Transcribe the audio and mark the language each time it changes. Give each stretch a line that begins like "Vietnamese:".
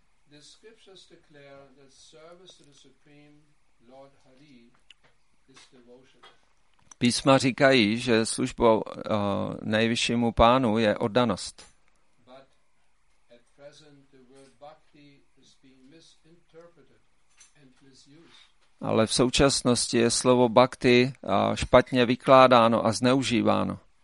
English: The scriptures declare that service to the Supreme Lord Hari is devotion.
Czech: Písma říkají, že službou nejvyššímu pánu je oddanost.
English: But at present the word bhakti is being misinterpreted and misused.
Czech: Ale v současnosti je slovo bhakti špatně vykládáno a zneužíváno.